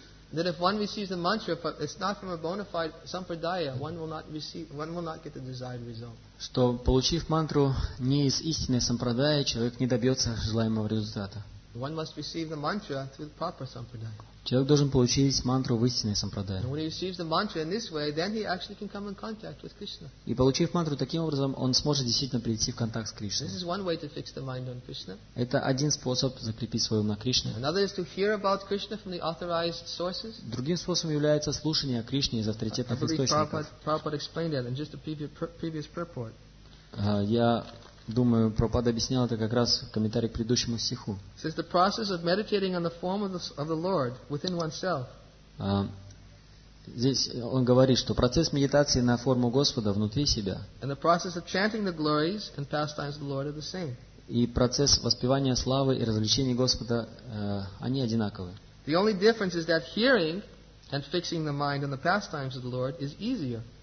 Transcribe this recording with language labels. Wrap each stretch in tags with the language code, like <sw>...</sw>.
<en>That if one receives the mantra, but it's not from a bona fide sampradaya, one will not get the desired result.</en> <ru>Что получив мантру не из истинной сампрадаи, человек не добьется желаемого результата.</ru> <en>One must receive the mantra through the proper sampradaya.</en> <ru>Человек должен получить мантру в истинной сампрадае.</ru> <en>When he receives the mantra in this way, then he actually can come in contact with Krishna.</en> <ru>И получив мантру таким образом, он сможет действительно прийти в контакт с Кришной.</ru> <en>This is one way to fix the mind on Krishna.</en> <ru>Это один способ закрепить свой ум на Кришне.</ru> <en>Another is to hear about Krishna from the authorized sources.</en> <ru>Другим способом является слушание о Кришне из авторитетных источников.</ru> <en>Prabhupada explained that in just a previous purport.</en> <ru>Я думаю, Прабхупада объяснял это как раз в комментарии к предыдущему стиху.</ru> <en>Since the process of meditating on the form of the Lord within oneself.</en> <ru>Здесь он говорит, что процесс медитации на форму Господа внутри себя.</ru> <en>And the process of chanting the glories and pastimes of the Lord are the same.</en> <ru>И процесс воспевания славы и развлечений Господа, они одинаковы.</ru> <en>The only difference is that hearing and fixing the mind on the pastimes of the Lord is easier.</en>